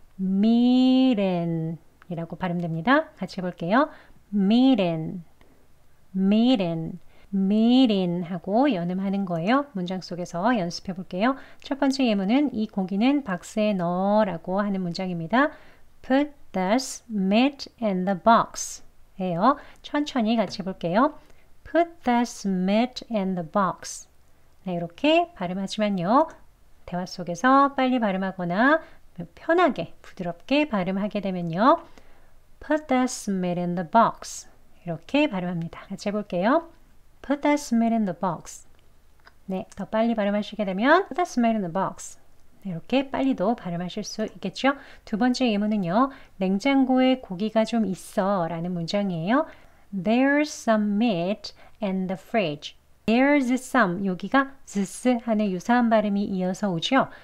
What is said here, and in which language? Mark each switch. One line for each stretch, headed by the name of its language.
Korean: 미렌이라고 발음됩니다. 같이 해볼게요. 미렌, 미렌, 미렌 하고 연음하는 거예요. 문장 속에서 연습해 볼게요. 첫 번째 예문은 이 고기는 박스에 넣어라고 하는 문장입니다.
English: Put this meat in the box예요.
Korean: 천천히 같이 해볼게요.
English: Put this meat in the box.
Korean: 네, 이렇게 발음하지만요. 대화 속에서 빨리 발음하거나 편하게, 부드럽게 발음하게 되면요.
English: Put this meat in the box.
Korean: 이렇게 발음합니다. 같이 해볼게요.
English: Put this meat in the box.
Korean: 네, 더 빨리 발음하시게 되면
English: Put this meat in the box.
Korean: 네, 이렇게 빨리도 발음하실 수 있겠죠? 두 번째 예문은요. 냉장고에 고기가 좀 있어 라는 문장이에요.
English: There's some meat in the fridge. There's some.
Korean: 여기가 this 하는 유사한 발음이 이어서 오죠.